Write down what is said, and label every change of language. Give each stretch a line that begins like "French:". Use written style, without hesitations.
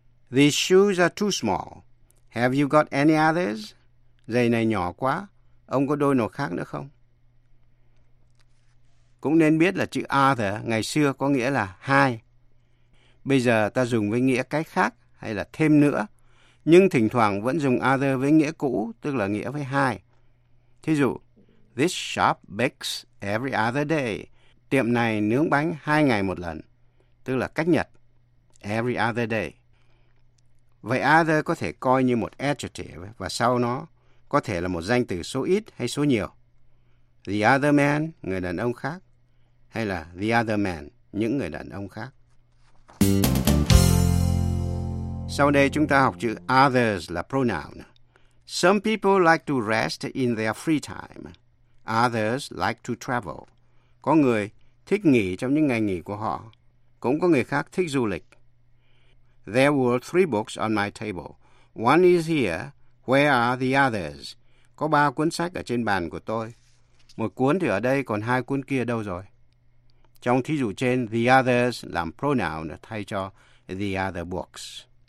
English: These shoes are too small. Have you got any others?
Vietnamese: Giày này nhỏ quá. ông có đôi nào khác nữa không? Cũng nên biết là chữ other ngày xưa có nghĩa là hai. Bây giờ ta dùng với nghĩa cái khác hay là thêm nữa, nhưng thỉnh thoảng vẫn dùng other với nghĩa cũ, tức là nghĩa với hai. Thí dụ,
English: this shop bakes every other day.
Vietnamese: Tiệm này nướng bánh hai ngày một lần, tức là cách Nhật, every other day. Vậy other có thể coi như một adjective và sau nó có thể là một danh từ số ít hay số nhiều. The other man, người đàn ông khác, hay là the other man, những người đàn ông khác. Sau đây chúng ta học chữ others là pronoun.
English: Some people like to rest in their free time. Others like to travel.
Vietnamese: Có người thích nghỉ trong những ngày nghỉ của họ. Cũng có người khác thích du lịch.
English: There were three books on my table. One is here. Where are the others?
Vietnamese: Có ba cuốn sách ở trên bàn của tôi. Một cuốn thì ở đây, còn hai cuốn kia đâu rồi? Trong thí dụ trên, the others làm pronoun thay cho the other books.